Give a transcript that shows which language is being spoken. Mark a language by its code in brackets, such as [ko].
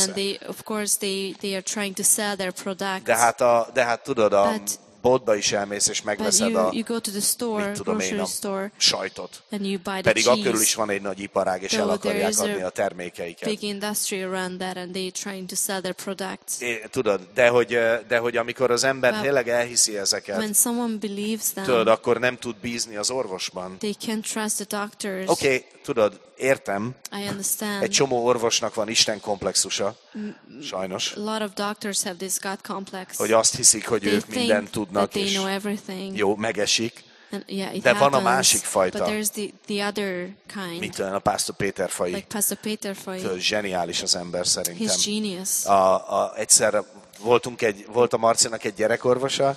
[en] And they, of course, they are trying to sell their products. [hu] De hát tudod, a boltba is elmész, és megveszed a sajtot. [en] And you buy the [hu] pedig [en] cheese. [hu] Akkor is van egy nagy iparág, és [en] though [hu] el akarják adni a termékeiket. [en] Big industry around that, and they're trying to sell their products. [hu] Tudod, de hogy amikor az ember tényleg elhiszi ezeket, [en] when someone believes them, [hu] tudod, akkor nem tud bízni az orvosban. [en] They can't trust the doctors. [hu] Okay, tudod, értem. [en] I understand. [hu] Egy csomó orvosnak van Isten komplexusa, sajnos. [en] A lot of doctors have this God complex. [hu] Hogy azt hiszik, hogy ők mindent tudnak, [en] they know everything. [hu] Jó, megesik. [en] And, yeah, [hu] de [en] happens, [hu] van a másik fajta. [en] But there's the other kind. [hu] Mint a Pásztor Péter faji. [en] Like Pastor Peter faji. [hu] Tudod, zseniális az ember szerintem. [en] He's genius. [hu] Egyszer volt a Marcinak egy gyerekorvosa.